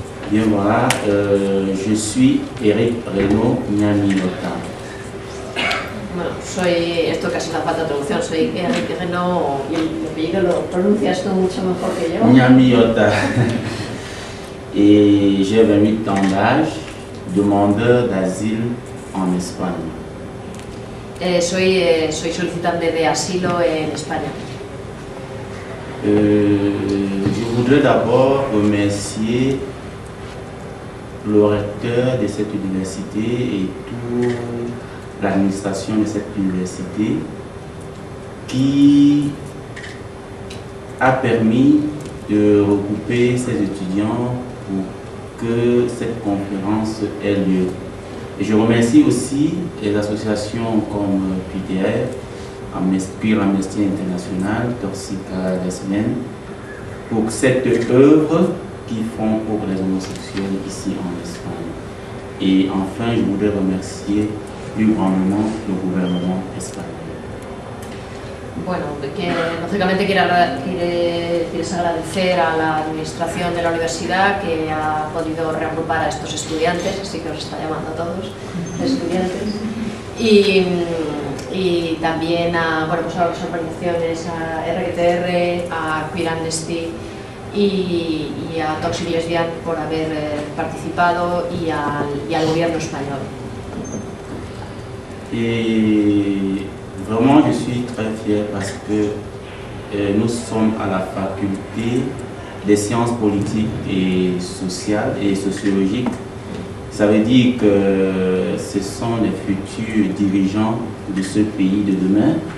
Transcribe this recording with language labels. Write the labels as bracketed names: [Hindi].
[French] Bien, voilà, je suis Eric Renaud Namilota. [Spanish] Bueno, soy, esto casi no falta traducción, soy Eric Renaud, y el apellido lo pronuncias tú mucho mejor que yo. Namilota. [French] Y j'ai 28 ans d'âge, demandeur d'asile en Espagne. [Spanish] Soy solicitante de asilo en España. [French] Je voudrais d'abord remercier le recteur de cette université et toute l'administration de cette université qui a permis de regrouper ces étudiants pour que cette conférence ait lieu. Et je remercie aussi les associations comme PDF, puis l'Amnesty International, Torsica Desmaine, pour cette œuvre qu'ils font pour les homosexuels ici en Espagne. Et enfin, je voudrais remercier plus grandement le gouvernement espagnol. [Spanish] Bueno, que lógicamente quieres agradecer a la administración de la universidad que ha podido reagrupar a estos estudiantes, así que os está llamando a todos estudiantes, y también a, bueno, pues a las organizaciones, a RGTR, a Queer Amnesty y a Toxic Lesbian por haber participado y al gobierno español. Y... [French] Vraiment, je suis très fier parce que nous sommes à la faculté des sciences politiques et sociales et sociologiques. Ça veut dire que ce sont les futurs dirigeants de ce pays de demain.